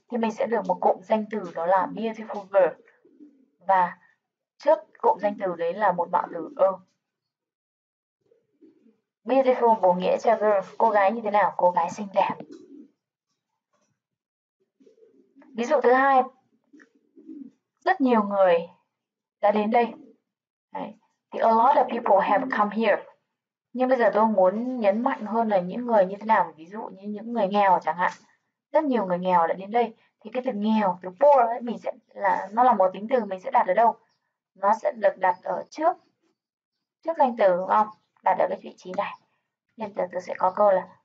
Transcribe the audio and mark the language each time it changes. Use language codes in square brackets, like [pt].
[vi] Thì mình sẽ được một cụm danh từ đó là beautiful girl. Và trước cụm danh từ đấy là một mạo từ a. Beautiful bổ nghĩa cho girl, cô gái như thế nào? Cô gái xinh đẹp. Ví dụ thứ hai, rất nhiều người đã đến đây. Đấy. [en] Thì a lot of people have come here. [vi] Nhưng bây giờ tôi muốn nhấn mạnh hơn là những người như thế nào? Ví dụ như những người nghèo chẳng hạn. Rất nhiều người nghèo đã đến đây. Thì cái từ nghèo, từ poor ấy, mình sẽ là nó là một tính từ mình sẽ đặt ở đâu? Nó sẽ được đặt ở trước danh từ, đúng không? Đặt ở cái vị trí này. Nên từ từ sẽ có câu là